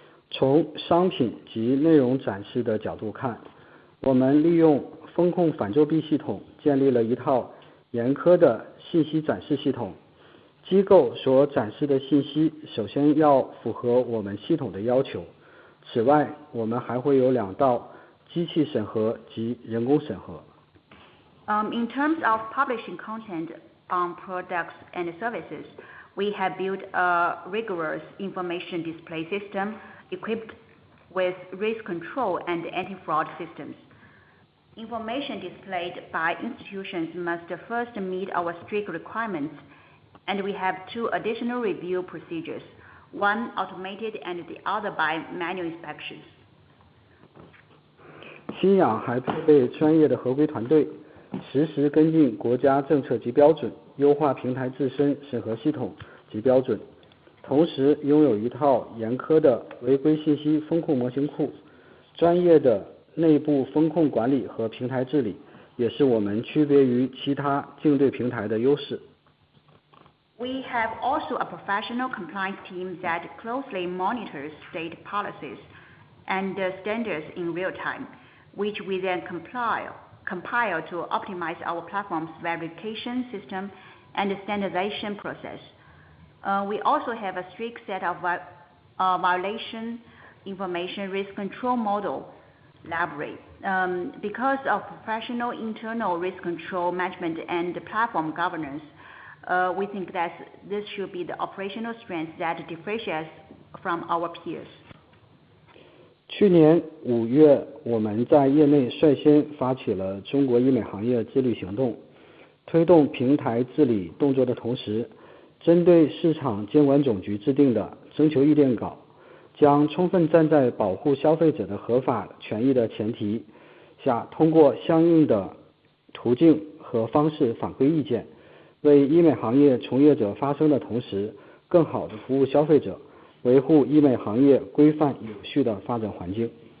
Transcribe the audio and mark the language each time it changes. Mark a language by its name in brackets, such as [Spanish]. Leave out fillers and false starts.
[Chinese] 从商品及内容展示的角度看，我们利用风控反作弊系统建立了一套严苛的信息展示系统。机构所展示的信息首先要符合我们系统的要求。此外，我们还会有两道机器审核及人工审核。 [English] In terms of publishing content on products and services, we have built a rigorous information display system equipped with risk control and anti-fraud systems. Information displayed by institutions must first meet our strict requirements, and we have two additional review procedures. One automated and the other by manual inspections. [Chinese] 新氧还配备专业的合规团队，实时跟进国家政策及标准，优化平台自身审核系统及标准，同时拥有一套严苛的违规信息风控模型库，专业的内部风控管理和平台治理，也是我们区别于其他竞对平台的优势。 [English] We have also a professional compliance team that closely monitors state policies and standards in real time, which we then compile to optimize our platform's verification system and standardization process. We also have a strict set of violation information risk control model library. Because of professional internal risk control management and platform governance,we think that this should be the operational strength that differentiates from our peers. [Chinese] 去年五月，我们在业内率先发起了中国医美行业自律行动，推动平台治理动作的同时，针对市场监管总局制定的征求意见稿，将充分站在保护消费者的合法权益的前提下，通过相应的途径和方式反馈意见，为医美行业从业者发声的同时，更好地服务消费者，维护医美行业规范有序的发展环境。